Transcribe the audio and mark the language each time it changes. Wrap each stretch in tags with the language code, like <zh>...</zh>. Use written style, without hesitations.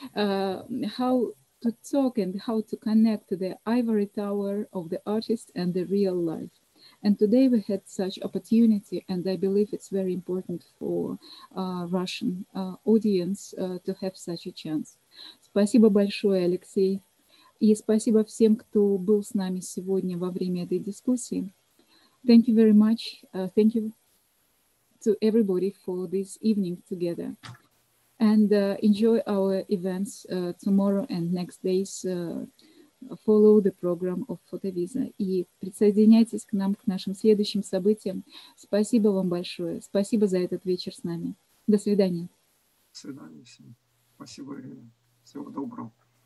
<en>How to talk and how to connect the ivory tower of the artist and the real life. And today we had such opportunity, and I believe it's very important for Russian audience to have such a chance.</en> <ru>Спасибо большое, Алексей. И спасибо всем, кто был с нами сегодня во время этой дискуссии.</ru> <en>Thank you very much. Thank you to everybody for this evening together. And enjoy our events tomorrow and next days. Follow the program of Fotovisa.</en> <ru>И присоединяйтесь к нам, к нашим следующим событиям. Спасибо вам большое. Спасибо за этот вечер с нами. До свидания. До свидания всем. Спасибо, Ирина. Всего доброго.</ru>